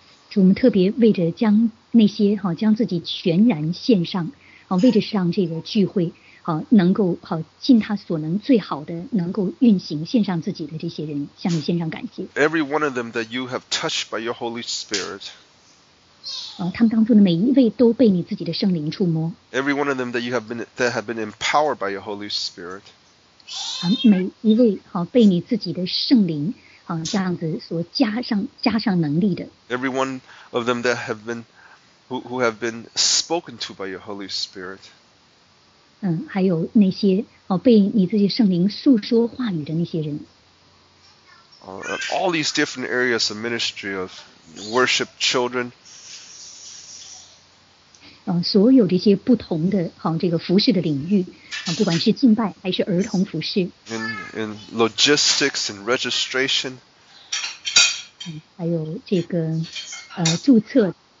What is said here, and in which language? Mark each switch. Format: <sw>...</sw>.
<zh>主，我们特别为着将那些将自己全然献上，为着让这个聚会能够尽他所能最好的能够运行，献上自己的这些人，向你献上感谢。</zh> <en>Every one of them that you have touched by your Holy Spirit.</en> <zh>他们当中的每一位都被你自己的圣灵触摸。</zh> <en>Every one of them that you have been that have been empowered by your Holy Spirit.</en> <zh>每一位被你自己的圣灵这样子所加上能力的。</zh> <en>Every one of them that have been who have been spoken to by your Holy Spirit.</en> <zh>还有那些被你自己圣灵诉说话语的那些人。</zh> <en>All these different areas of ministry of worship, children.</en> <zh>所有这些不同的这个服事的领域不管是敬拜还是儿童服事</zh> <en>in logistics and registration</en> <zh>还有这个注册</zh>